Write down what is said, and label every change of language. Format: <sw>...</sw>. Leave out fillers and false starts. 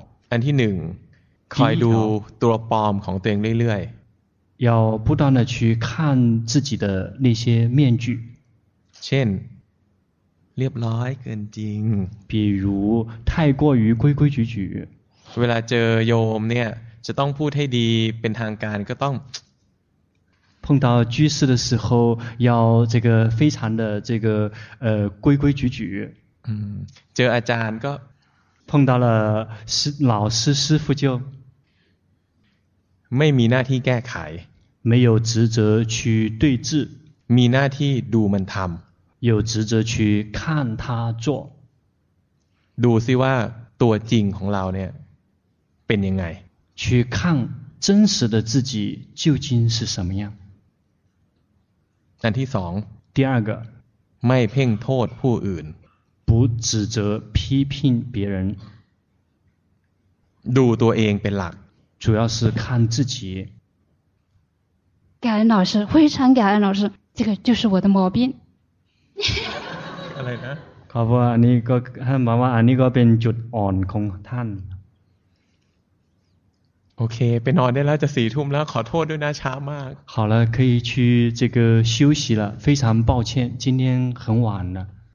<th>อันที่หนึ่งคอยดูตัวปลอมของตัวเองเรื่อยๆ</th> <zh>要不断的去看自己的那些面具，</zh> <th>像，เรียบร้อยเกินจริง，</th> <zh>比如太过于规规矩矩。</zh> <th>เวลาเจอโยมเนี่ยจะต้องพูดให้ดีเป็นทางการก็ต้อง，</th> <zh>碰到居士的时候要这个非常的这个规规矩矩。</zh> <th>เจออาจารย์ก็</th> <zh>，碰到了老师师傅就。</zh> <th>ไม่มีหน้าที่แก้ไข</th> <zh>没有职责去对治</zh> <th>มีหน้าที่ดูมันทำ</th> <zh>有职责去看他做</zh> <th>ดูสิว่าตัวจริงของเราเนี่ยเป็นยังไง</th> <zh>去看真实的自己究竟是什么样</zh> <th>อันที่สอง</th> <zh>第二个</zh> <th>ไม่เพ่งโทษผู้อื่น</th> <zh>不指责批评别人</zh> <th>ดูตัวเองเป็นหลัก</th> <zh>主要是看自己。感恩老师，非常感恩老师，这个就是我的毛病。</zh> <th>อะไรนะ ขอบคุณอันนี้ก็ท่านบอกว่าอันนี้ก็เป็นจุดอ่อนของท่าน โอเคไปนอนได้แล้วจะสี่ทุ่มแล้วขอโทษด้วยนะช้ามาก</th> <zh>好了可以去这个休息了非常抱歉今天很晚了</zh>